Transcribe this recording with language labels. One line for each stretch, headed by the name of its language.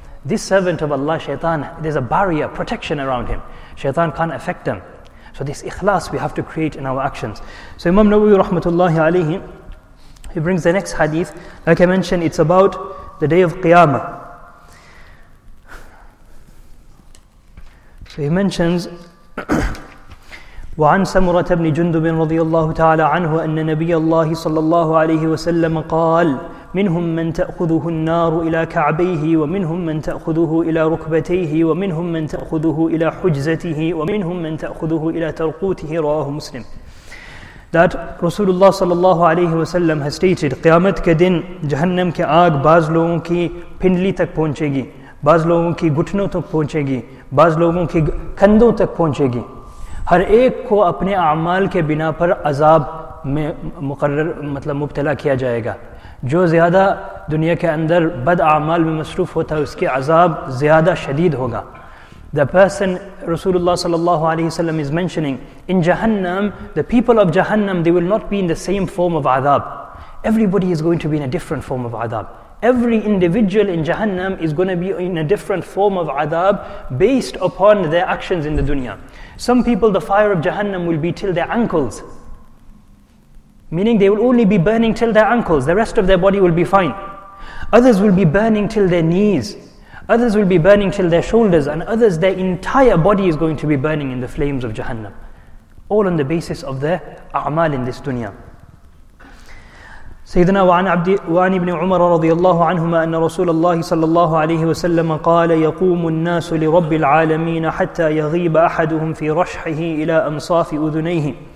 English: This servant of Allah, shaitan, there's a barrier, protection around him. Shaitan can't affect them. So this ikhlas we have to create in our actions. So Imam Nawawi rahmatullahi alayhi, he brings the next hadith. Like I mentioned, it's about the day of Qiyamah. So he mentions,
Arabic: وعن سمرة بن جندب رضي الله تعالى عنه أن نبي الله صلى الله عليه وسلم قال منهم من تأخذه النار إلى كعبيه ومنهم من تأخذه إلى ركبتيه ومنهم من تأخذه إلى حجزته ومنهم من تأخذه إلى ترقوته رواه مسلم.
English: That Rasulullah
Arabic: صلى الله عليه وسلم
English: has stated,
Urdu: قیامت کے دن جہنم کے آگ بعض لوگوں کی پنڈلی تک پہنچے گی, بعض لوگوں کی گھٹنوں تک پہنچے گی, بعض لوگوں کی کندھوں تک پہنچے گی. ہر ایک کو اپنے اعمال کے بنا پر عذاب میں مقرر, مطلب مبتلا کیا جائے گا. جو زیادہ دنیا کے اندر بد اعمال میں مصروف ہوتا ہے, اس کے عذاب زیادہ شدید ہوگا.
English: The person, Rasulullah sallallahu alayhi wa sallam is mentioning, in Jahannam, the people of Jahannam, they will not be in the same form of azab. Everybody is going to be in a different form of azab. Every individual in Jahannam is going to be in a different form of azab based upon their actions in the dunya. Some people, the fire of Jahannam will be till their ankles, meaning they will only be burning till their ankles, the rest of their body will be fine. Others will be burning till their knees, others will be burning till their shoulders, and others, their entire body is going to be burning in the flames of Jahannam, all on the basis of their a'mal in this dunya.
Arabic: سيدنا وعن ابن عمر رضي الله عنهما أن رسول الله صلى الله عليه وسلم قال يقوم الناس لرب العالمين حتى يغيب أحدهم في رشحه إلى أمصاف أذنيه.